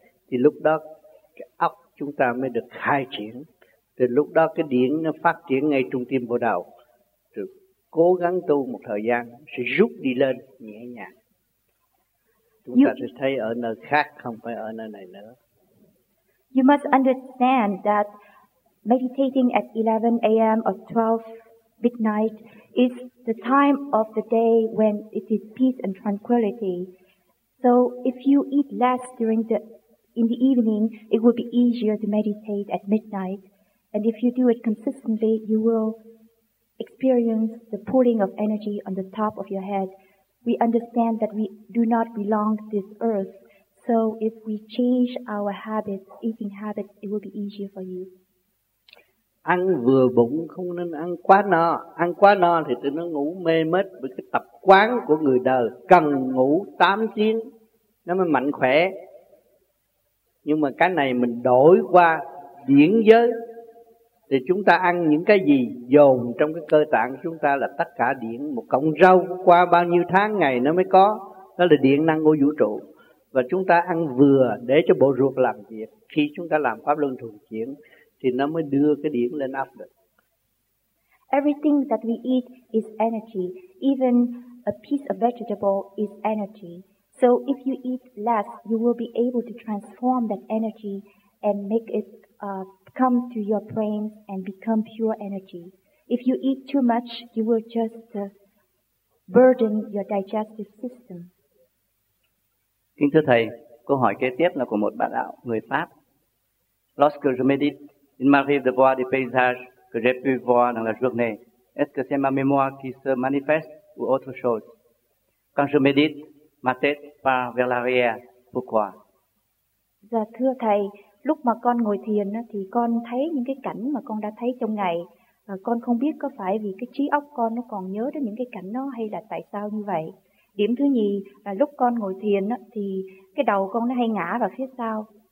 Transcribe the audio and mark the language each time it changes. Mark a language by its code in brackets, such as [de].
[vi] Thì lúc đó cái óc chúng ta mới được khai triển. Thì lúc đó cái điển nó phát triển ngay trung tâm bộ đầu. Rồi cố gắng tu một thời gian sẽ rút đi lên nhẹ nhàng. Chúng ta sẽ thấy ở nơi khác, không phải ở nơi này nữa. [en] You must understand that meditating at 11 a.m. or 12 midnight is the time of the day when it is peace and tranquility. So if you eat less during the evening, it will be easier to meditate at midnight. And if you do it consistently, you will experience the pooling of energy on the top of your head. We understand that we do not belong to this earth. So if we change our habits, eating habits, it will be easier for you. [vi] Ăn vừa bụng, không nên ăn quá no. Ăn quá no thì tụi nó ngủ mê mết. Bởi cái tập quán của người đời cần ngủ 8 tiếng nó mới mạnh khỏe. Nhưng mà cái này mình đổi qua điển giới, thì chúng ta ăn những cái gì dồn trong cái cơ tạng chúng ta là tất cả điển. Một cọng rau qua bao nhiêu tháng ngày nó mới có, đó là điện năng của vũ trụ. Và chúng ta ăn vừa để cho bộ ruột làm việc. Khi chúng ta làm pháp luân thường chuyển thì nó mới đưa cái điện lên áp được. [en] Everything that we eat is energy. Even a piece of vegetable is energy. So if you eat less, you will be able to transform that energy and make it come to your brain and become pure energy. If you eat too much, you will just burden your digestive system. [vi] Kính thưa thầy, câu hỏi kế tiếp là của một bạn đạo người Pháp. [fr] Lorsque je médite, il m'arrive de voir des paysages que j'ai pu voir dans la journée. Est-ce que c'est ma mémoire qui se manifeste ou autre chose? Quand je médite, ma tête part vers l'arrière. Pourquoi? [vi] Dạ thưa thầy, lúc mà con ngồi thiền thì con thấy những cái cảnh mà con đã thấy trong ngày. Con không biết có phải vì cái trí óc con nó còn nhớ đến những cái cảnh đó hay là tại sao như vậy. Điểm thứ nhì là lúc con ngồi thiền thì cái đầu con nó hay ngã vào phía sau.